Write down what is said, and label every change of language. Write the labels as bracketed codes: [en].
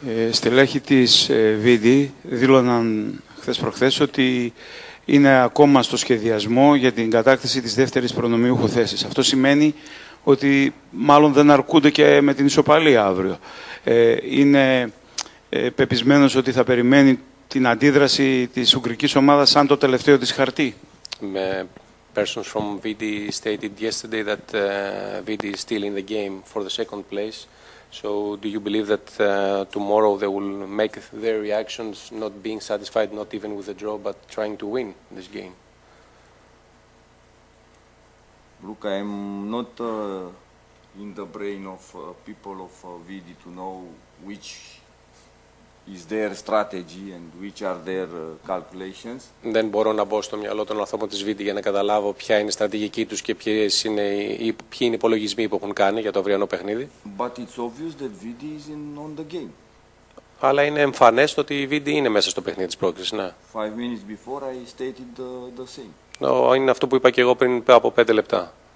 [el] Στελέχη της Βίδη δήλωναν χθες προχθές ότι είναι ακόμα στο σχεδιασμό για την κατάκτηση της δεύτερης προνομιούχου θέσης. Αυτό σημαίνει ότι μάλλον δεν αρκούνται και με την ισοπαλία αύριο. Είναι πεπισμένος ότι θα περιμένει την αντίδραση της ουγγρικής ομάδας σαν το τελευταίο της χαρτί. [en] Persons from VD stated yesterday that VD is still in the game for the second place. So do you believe that tomorrow they will make their reactions not being satisfied, not even with the draw, but trying to win this game? Look, I'm not in the brain of people of VD to know which is their strategy and which are their calculations. [el] Δεν μπορώ να μπω στο μυαλό των ανθρώπων της Βίτη για να καταλάβω ποια είναι η στρατηγική τους και ποιοι είναι οι υπολογισμοί που έχουν κάνει για το αυριανό παιχνίδι. [en] But it's obvious that Vidi is in on the game. [el] Αλλά είναι εμφανές ότι η Βίτη είναι μέσα στο παιχνίδι της πρόκρισης, ναι. [en] 5 minutes before I stated the same. [el] Είναι αυτό που είπα και εγώ πριν από 5 λεπτά.